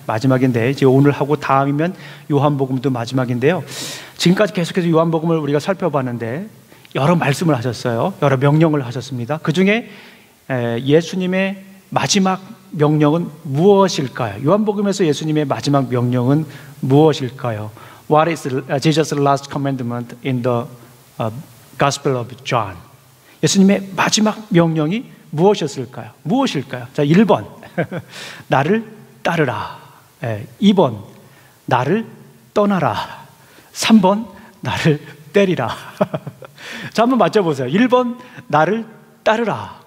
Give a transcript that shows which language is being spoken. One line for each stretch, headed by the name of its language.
Korean: 마지막인데 이제 오늘 하고 다음이면 요한복음도 마지막인데요. 지금까지 계속해서 요한복음을 우리가 살펴봤는데 여러 말씀을 하셨어요. 여러 명령을 하셨습니다. 그 중에 예수님의 마지막 명령은 무엇일까요? 요한복음에서 예수님의 마지막 명령은 무엇일까요?
English: What is Jesus' last commandment in the Gospel of John?
Korean: 예수님의 마지막 명령이 무엇이었을까요? 무엇일까요? 자, 1번, 나를 따르라. 2번, 나를 떠나라. 3번, 나를 때리라. 자, 한번 맞춰보세요. 1번, 나를 따르라.